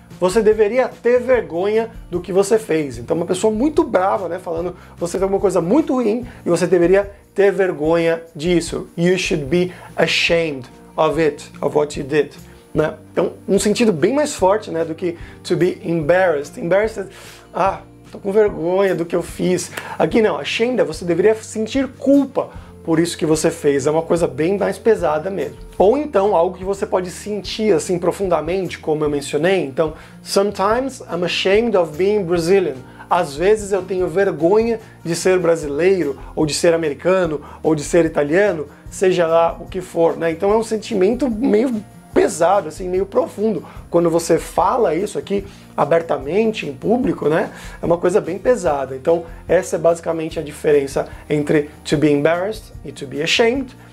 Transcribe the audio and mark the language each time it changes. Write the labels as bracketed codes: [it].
[pt] Você deveria ter vergonha do que você fez. Então uma pessoa muito brava, né, falando você fez alguma coisa muito ruim e você deveria ter vergonha disso. [en] You should be ashamed of it, of what you did. [pt] Né? Então, um sentido bem mais forte, né, do que to be embarrassed. Embarrassed, ah, tô com vergonha do que eu fiz. Aqui não, ashamed, você deveria sentir culpa por isso que você fez. É uma coisa bem mais pesada mesmo. Ou então, algo que você pode sentir assim profundamente, como eu mencionei. [en] Então, sometimes I'm ashamed of being Brazilian. [pt] Às vezes eu tenho vergonha de ser brasileiro, ou de ser americano, ou de ser italiano, seja lá o que for, né? Então é um sentimento meio pesado, assim, meio profundo. Quando você fala isso aqui abertamente, em público, né? É uma coisa bem pesada. Então, essa é basicamente a diferença entre to be embarrassed e to be ashamed.